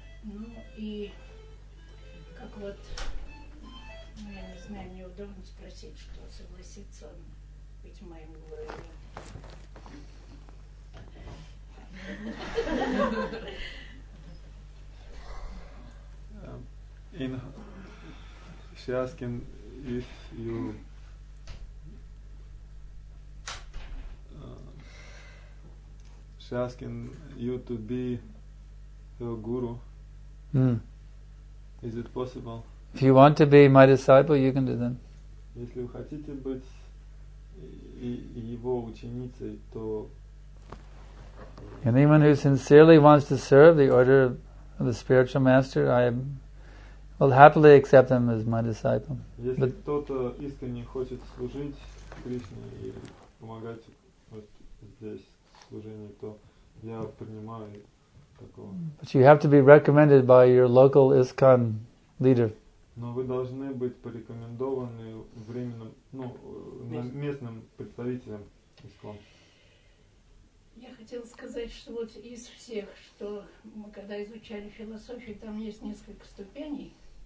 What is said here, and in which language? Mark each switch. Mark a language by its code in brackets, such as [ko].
[ru] Ну, и как вот... Ну, я не знаю, неудобно спросить, что согласится он быть моим гуру. [en] In, she asking if you she asking you to be her guru. Mm. Is it possible? If you want to be my disciple, you can do that. [ru] Если вы хотите быть его ученицей, то [en] anyone who sincerely wants to serve the order of the spiritual master, I am will happily accept him as my disciple. [ru] Если but кто-то искренне хочет служить Кришне и помогать вот здесь служение, то я принимаю такого. [en] But you have to be recommended by your local ISKCON leader. [ru] Но вы должны быть порекомендованы временным, ну, местным представителем ISKCON. Я хотела сказать, что вот из всех, что мы когда изучали философию, там есть несколько ступеней.